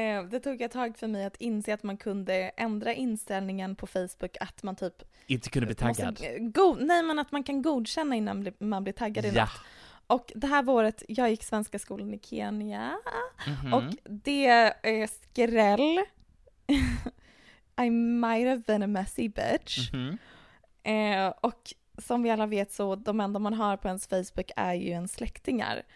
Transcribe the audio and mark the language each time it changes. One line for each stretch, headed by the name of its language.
Swedish: det tog ett tag för mig att inse att man kunde ändra inställningen på Facebook, att man typ inte kunde bli taggad. Men att man kan godkänna innan man blir taggad i något. Och det här året, jag gick svenska skolan i Kenya. Mm-hmm. Och det är skräll.
English: I might have been a messy bitch. Mm-hmm.
Swedish: Och som vi alla vet så, de enda man har på ens Facebook är ju ens släktingar.